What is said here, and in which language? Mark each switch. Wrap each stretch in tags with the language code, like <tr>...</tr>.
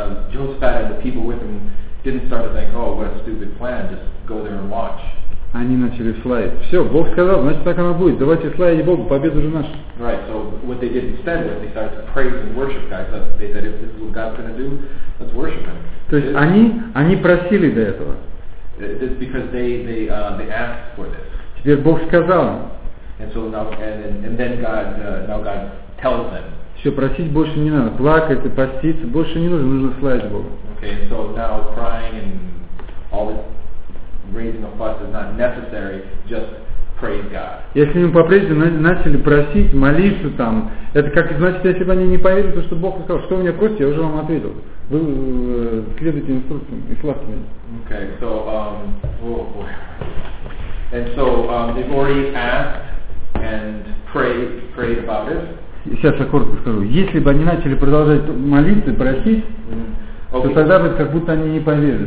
<en>Jehoshaphat and the people with him didn't start to think, oh, what a stupid plan, just go there and watch.</en> <ru>Они начали славить. Все, Бог сказал, значит так оно будет. Давайте славить Богу, победа уже наша.</ru> <en>Right, so what they did instead was they started to praise and worship God. So they said, if this is what God's going to do, let's worship him.</en> <ru>То есть они просили до этого.</ru> <en>It's because they asked for this.</en> <ru>Теперь Бог сказал.</ru> <en>And then God tells them.</en> <ru>Все, просить больше не надо. Плакать и поститься больше не нужно. Нужно славить Бога.</ru> <en>Okay, and so now crying and all this raising a fuss is not necessary. Just praise God.</en> <ru>Если мы по-прежнему начали просить, молиться там, это как значит, если бы они не поверили, то что Бог сказал, что вы меня просите, я уже вам ответил. Вы следуйте инструкциям и славьте меня.</ru> <en>Okay, so, And so they've already asked and prayed about it.</en> <ru>Сейчас я коротко скажу. Если бы они начали продолжать молиться, просить, то тогда бы как будто они не поверили.</ru>